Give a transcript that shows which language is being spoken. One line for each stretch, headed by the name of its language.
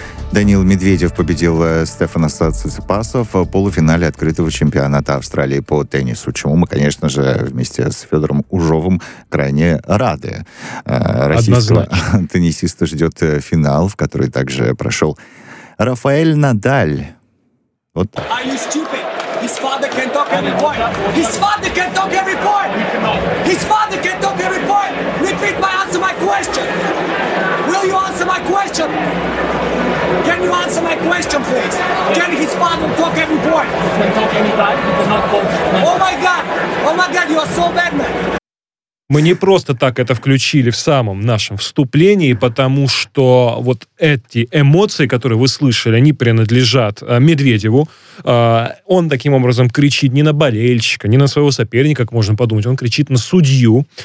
Russian: Даниил Медведев победил Стефана Цитсипаса в полуфинале открытого чемпионата Австралии по теннису, чему мы, конечно же, вместе с Федором Ужовым крайне рады. Российского теннисиста ждет финал, в который также прошел Рафаэль Надаль. Вот так.
English: Are you stupid? His father can talk every point. His father can talk every point. His father can talk every point. Repeat my answer, my question. Will you answer my question? Can you answer my question, please? Can his father talk every point? Oh my God! Oh my God! You are so bad, man.
Russian: Мы не просто так это включили в самом нашем вступлении, потому что вот эти эмоции, которые вы слышали, они принадлежат Медведеву. Он таким образом кричит не на болельщика, не на своего соперника, как можно подумать. Он кричит на судью.